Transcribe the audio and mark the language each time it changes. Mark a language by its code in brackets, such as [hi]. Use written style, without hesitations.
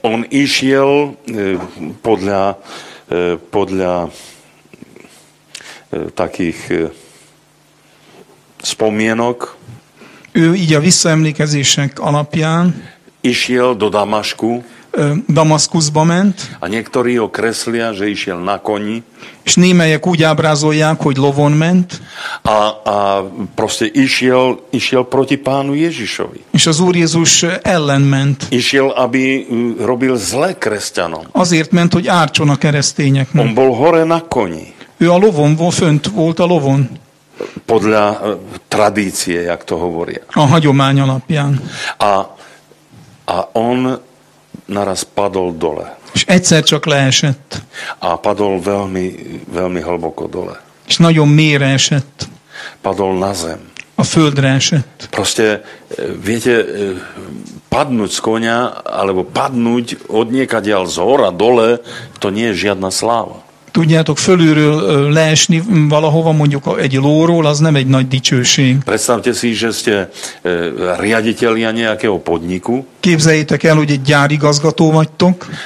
[sk] On išiel podľa takých spomienok. [hu] Ő így a visszaemlékezések alapján [sk] išiel do Damašku. [hu] Damaszkuszba ment. [sk] A niektorí ho kreslia, že išiel na koni. [hu] És némelyek úgy ábrázolják, hogy lovon ment. [sk] A proste išiel proti pánu Ježišovi. [hu] És az Úr Jézus ellen ment. [sk] Išiel, aby robil zle kresťanom. [hu] Azért ment, hogy ártson a keresztényeknek. [sk] On bol hore na koni. [hu] Ő a lovon, fönt volt a lovon. [sk] Podľa tradície, jak to hovoria. [hu] A hagyomány alapján. [sk] A on naraz padol dole. [hu] És egyszer csak leesett. [sk] A padol veľmi, veľmi hlboko dole. [hu] És nagyon mélyre esett. [sk] Padol na zem. [hu] A földre esett. [sk] Proste, viete, padnúť z konia, alebo padnúť od niekadiaľ z hora dole, to nie je žiadna sláva. [hu] Tudjátok, fölülről leesni valahova, mondjuk egy lóról, az nem egy nagy dicsőség. [sk] Predstavte si, že ste riaditeľia nejakého podniku. [hu] Képzeljétek el, hogy egy gyárigazgató vagytok.